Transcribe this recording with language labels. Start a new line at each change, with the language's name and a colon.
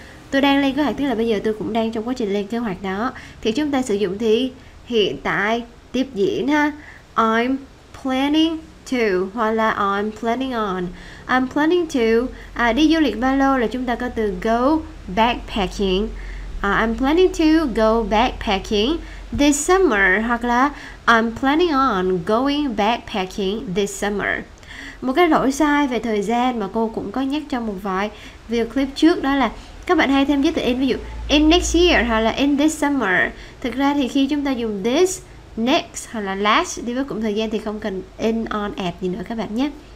Vietnamese: Tôi đang lên kế hoạch, tức là bây giờ tôi cũng đang trong quá trình lên kế hoạch đó. Thì chúng ta sử dụng thì hiện tại tiếp diễn ha.
English: I'm planning to, hoặc là I'm planning on. I'm planning to,
Vietnamese: đi du lịch Ba Lô là chúng ta có từ go backpacking.
English: I'm planning to go backpacking this summer. Hoặc là I'm planning on going backpacking this summer.
Vietnamese: Một cái lỗi sai về thời gian mà cô cũng có nhắc trong một vài video clip trước, đó là các bạn hay thêm giới từ in, ví dụ in next year hoặc là in this summer. Thực ra thì khi chúng ta dùng this, next hoặc là last đi với cụm thời gian thì không cần in, on, at gì nữa các bạn nhé.